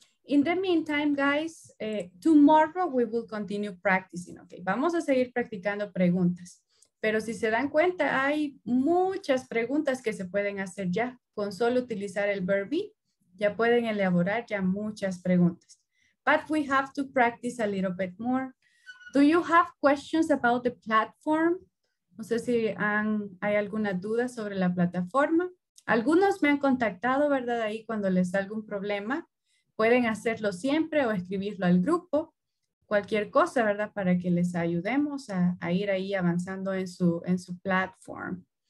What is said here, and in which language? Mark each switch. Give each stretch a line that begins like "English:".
English: In the meantime, guys, tomorrow we will continue practicing, okay?
Spanish: Vamos a seguir practicando preguntas. Pero si se dan cuenta, hay muchas preguntas que se pueden hacer ya. Con solo utilizar el verb be, ya pueden elaborar ya muchas preguntas.
English: But we have to practice a little bit more. Do you have questions about the platform?
Spanish: No sé si hay alguna duda sobre la plataforma. Algunos me han contactado, ¿verdad? Ahí cuando les salga un problema. Pueden hacerlo siempre o escribirlo al grupo. cualquier cosa, ¿verdad? Para que les ayudemos a ir ahí avanzando en su platform.